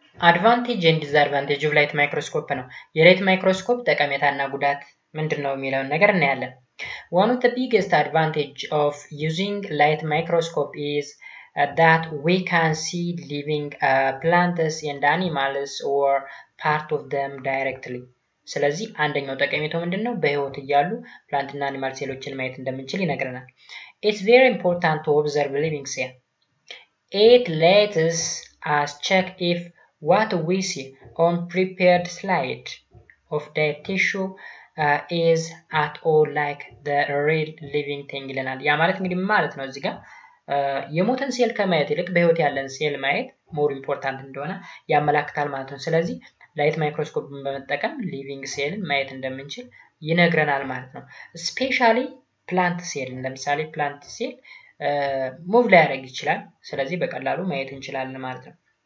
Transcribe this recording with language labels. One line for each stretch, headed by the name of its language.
English: አድቫንቴጅ ኤንድ ዲስአድቫንቴጅ ኦፍ ላይት ማይክሮስኮፕ
Amharic: ነው። የላይት ማይክሮስኮፕ ጠቀሜታና ጉዳት ምንድን ነው የሚለውን ነገር እናያለን።
English: ዋን ኦፍ ዘ ቢግስት አድቫንቴጅ ኦፍ ዩዚንግ ላይት ማይክሮስኮፕ ኢዝ that we can see living plants and animals or part of them directly.
Amharic: ስለዚህ አንደኛው ጠቀሜታው ምንድነው? በህይወት ያሉ plants እና animals ሴሎችን ማየት እንደምንችል ይነግረናል።
English: It's very important to observe living cells. It lets us check if what we see on prepared slide of dead tissue is at all like the real living thing
Amharic: ይለናል። ያ ማለት እንግዲህ ማለት ነው እዚህ ጋር የሞተን ሴል ከማየት ይልቅ በህይወት ያለን ሴል ማየት ሞር ኢምፖርታንት እንደሆነ ያመላክታል ማለት ነው። ስለዚህ ላይት ማይክሮስኮፕን በመጠቀም ሊቪንግ ሴልን ማየት እንደምንችል ይነግረናል ማለት ነው። ስፔሻሊ ፕላንት ሴልን፣ ለምሳሌ ፕላንት ሴል ሙቭ ሊያደርግ ይችላል። ስለዚህ በቀላሉ ማየት እንችላለን ማለት ነው።